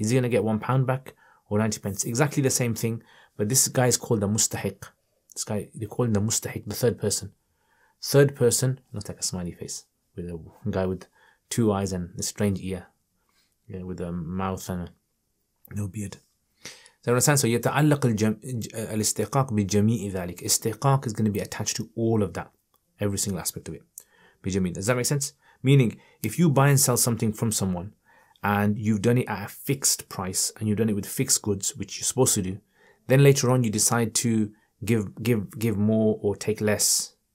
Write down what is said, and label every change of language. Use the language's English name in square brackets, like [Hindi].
[English] Is he going to get £1 back or 90 pence? Exactly the same thing, but this guy is called the mustahiq. This guy, they call him the mustahiq, the third person. Third person, looks like a smiley face, with a guy with two eyes and a strange ear, yeah, with a mouth and no beard. So understand? So [Arabic] يتعلق الاستحقاق بجميع ذلك. [English] Istihqaq is going to be attached to all of that, every single aspect of it. Does that make sense? Meaning, if you buy and sell something from someone and you've done it at a fixed price and you've done it with fixed goods, which you're supposed to do, then later on you decide to give more or take less.